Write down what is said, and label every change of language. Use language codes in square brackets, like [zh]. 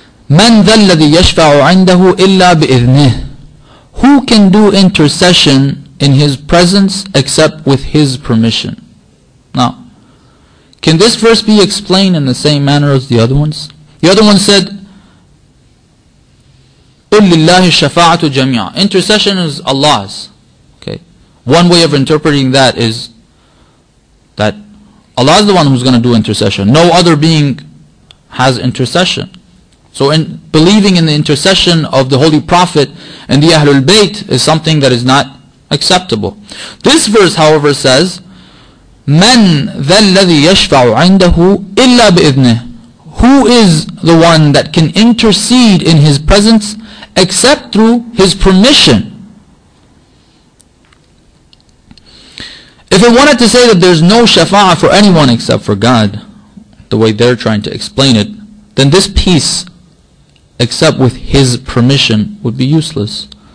[ar] من ذا الذي يشفع عنده إلا بإذنه. [en] Who can do intercession in his presence except with his permission? Now, can this verse be explained in the same manner as the other ones? The other one said, [ar] قُلْ لِلَّهِ الشَّفَاعَةُ جَمِيعًا. [en] Intercession is Allah's. Okay. One way of interpreting that is that Allah is the one who's going to do intercession. No other being has intercession. So in believing in the intercession of the Holy Prophet and the Ahlul Bayt is something that is not acceptable. This verse, however, says, [ar] مَنْ ذَا الَّذِي يَشْفَعُ عَنْدَهُ إِلَّا بِإِذْنِهِ. [en] Who is the one that can intercede in his presence except through his permission? If it wanted to say that there's no shafa'a for anyone except for God, the way they're trying to explain it, then this piece, except with his permission, would be useless.